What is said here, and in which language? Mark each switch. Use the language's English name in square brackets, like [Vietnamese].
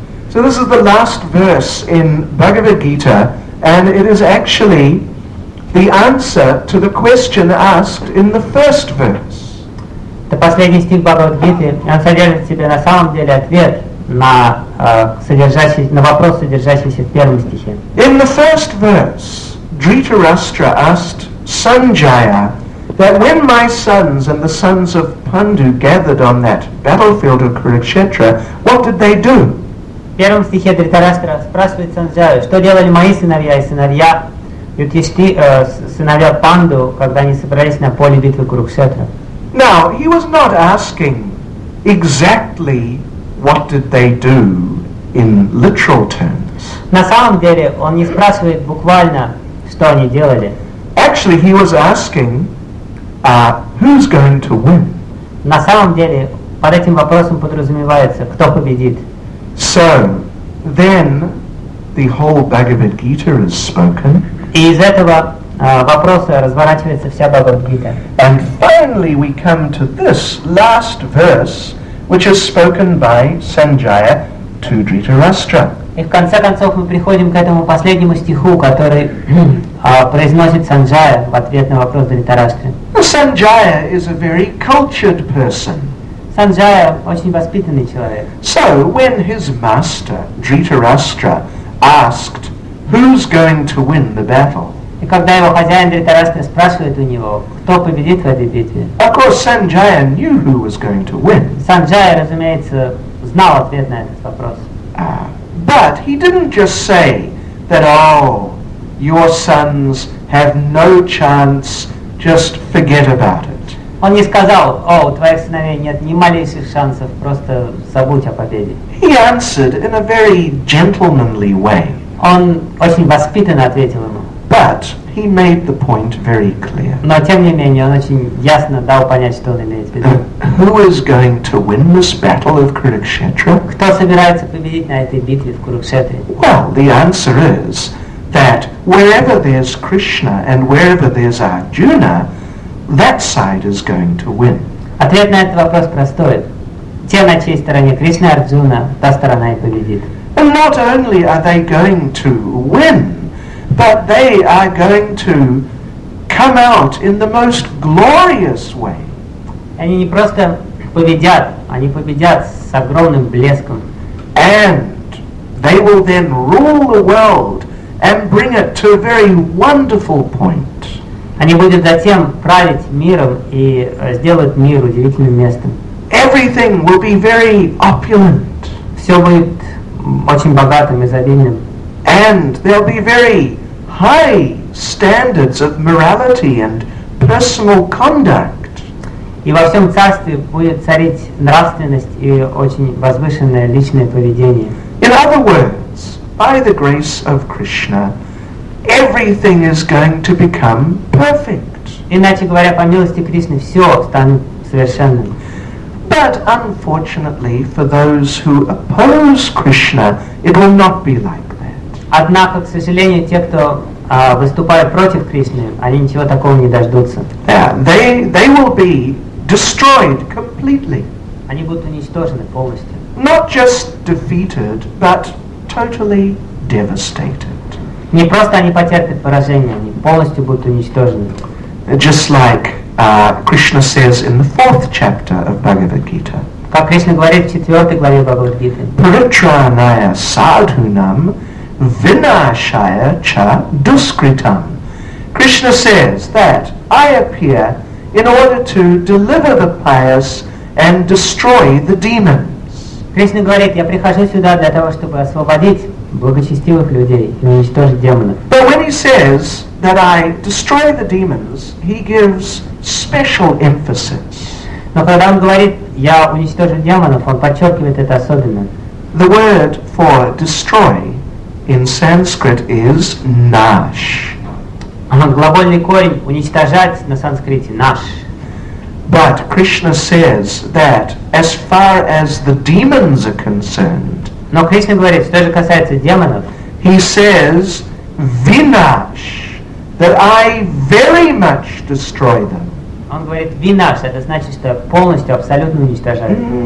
[English] So this is the last verse in Bhagavad Gita, and it is actually the answer to the question asked in the first verse. [Russian] Это последний стих Бхагавад-гиты, и он содержит в себе на самом деле ответ на вопрос, содержащийся в первом стихе. [English] In the first verse, Dhritarashtra asked Sanjaya that when my sons and the sons of Pandu gathered on that battlefield of Kurukshetra, what did they do? [Russian] В первом стихе Дхритараштра спрашивает Санджаю, что делали мои сыновья и сыновья Юдхишти, сыновья Панду, когда они собрались на поле битвы Курукшетра. [English] Now, he was not asking exactly what did they do in literal terms. [Russian] На самом деле, он не спрашивает буквально, что они делали. [English] Actually, he was asking, who's going to win? [Russian] На самом деле, под этим вопросом подразумевается, кто победит. [English] So, then, the whole Bhagavad Gita is spoken. [Russian] И из этого вопроса разворачивается вся Бхагавад-гита. [English] And finally we come to this last verse, which is spoken by Sanjaya to Dhritarashtra. [Russian] И в конце концов мы приходим к этому последнему стиху, который произносит Санджая в ответ на вопрос Дхритарашты. [English] Sanjaya is a very cultured person. [Russian] Sanjaya очень воспитанный человек. [English] So when his master Dhritarashtra asked, who's going to win the battle? [Russian] И когда его хозяин Дхритарашта спрашивает у него, кто победит в этой битве? [English] Of course, Sanjaya knew who was going to win. [Russian] Sanjaya, разумеется, знал ответ на этот вопрос. [English] But he didn't just say that, oh, your sons have no chance, just forget about it. [Russian] Он не сказал, о, у твоих сыновей нет ни малейших шансов, просто забудь о победе. [English] He answered in a very gentlemanly way. [Russian] Он очень воспитанно ответил ему. [English] But he made the point very clear. [Russian] Но тем не менее, он очень ясно дал понять, что он имеет в виду. [English] Who is going to win this battle of Kurukshetra? [Russian] Кто собирается победить на этой битве в Курукшетре? [English] Well, the answer is that wherever there's Krishna and wherever there's Arjuna, that side is going to win. [Russian] Ответ на этот вопрос простой. Те, на чьей стороне Кришна и Арджуна, та сторона и победит. [English] And not only are they going to win, but they are going to come out in the most glorious way. [Russian] Они не просто победят, они победят с огромным блеском. [English] And they will then rule the world and bring it to a very wonderful point. [Russian] Они будут затем править миром и сделать мир удивительным местом. [English] Everything will be very opulent. [Russian] Все будет очень богатым и изобильным. [English] And there'll be very high standards of morality and personal conduct. [Russian] И во всем царстве будет царить нравственность и очень возвышенное личное поведение. [English] In other words, by the grace of Krishna, everything is going to become perfect. [Russian] Иначе говоря, по милости Кришны, все станет совершенным. [English] But unfortunately for those who oppose Krishna, it will not be like that. [Russian] Однако, к сожалению, те, кто выступает против Кришны, они ничего такого не дождутся. [English] They will be destroyed completely. [Russian] Они будут уничтожены полностью. [English] Not just defeated, but totally devastated. [Russian] Не просто они потерпят поражение, они полностью будут уничтожены. [English] Just like Krishna says in the fourth chapter of Bhagavad Gita. [Russian] Как Кришна говорит в четвертой главе Бхагавад Гиты. [Sanskrit] Паритранная садхунам винашая ча дускритам. [English] Krishna says that I appear in order to deliver the pious and destroy the demons. [Russian] Кришна говорит, я прихожу сюда для того, чтобы освободить благочестивых людей и уничтожить демонов. [English] But when he says that I destroy the demons, he gives special emphasis. [Russian] Но когда он говорит, я уничтожу демонов, он подчеркивает это особенно. [English] The word for destroy in Sanskrit is nash. [Russian] Глагольный корень уничтожать на санскрите nash. [English] But Krishna says that as far as the demons are concerned, [Russian] но Кришна говорит, что же касается демонов, [English] he says vinash, that I very much destroy them. [Russian] Он говорит «винаш», это значит, что полностью, абсолютно уничтожает.